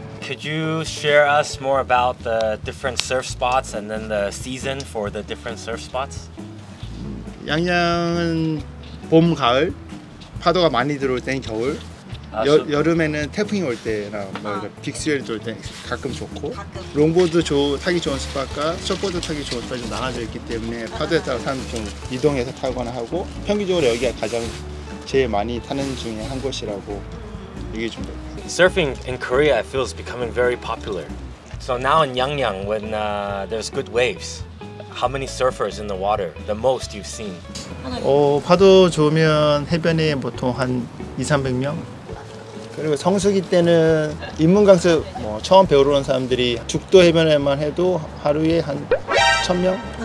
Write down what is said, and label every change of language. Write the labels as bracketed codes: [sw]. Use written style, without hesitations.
[en] Could you share us more about the different surf spots and then the season for the different surf spots? [ko] 양양은 봄, 가을 파도가 많이 들어올 때는 겨울. 여름에는 태풍이 올 때나 빅스웰이 돌 때 가끔 좋고 롱보드 타기 좋은 스팟과 서포드 타기 좋은 스팟이 좀 나눠져 있기 때문에 파도에 따라 사람 좀 이동해서 타거나 하고 평균적으로 여기가 가장 제일 많이 타는 중에 한 곳이라고 얘기 좀 될까요? [en] Surfing in Korea, I feel, is becoming very popular. So now in Yangyang, when there's good waves, how many surfers in the water? The most you've seen? [ko] 파도 좋으면 해변에 보통 한 2, 300명? 그리고 성수기 때는 인문강수 뭐 처음 배우러 온 사람들이 죽도 해변에만 해도 하루에 한 1,000명?